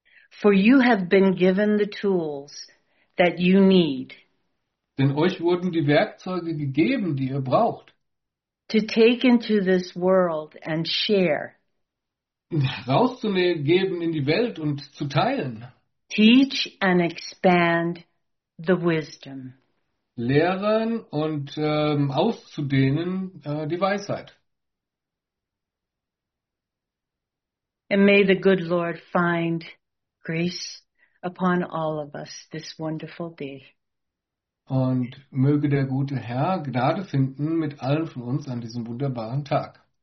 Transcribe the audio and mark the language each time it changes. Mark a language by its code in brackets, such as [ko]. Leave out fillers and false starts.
[en] For you have been given the tools that you need. [de] Denn euch wurden die Werkzeuge gegeben, die ihr braucht. [en] To take into this world and share. [de] Rauszugeben in die Welt und zu teilen. [en] Teach and expand the wisdom. [de] Lehren und auszudehnen die Weisheit. [en] And may the good Lord find grace upon all of us this wonderful day. [de] Und möge der gute Herr Gnade finden mit allen von uns an diesem wunderbaren Tag.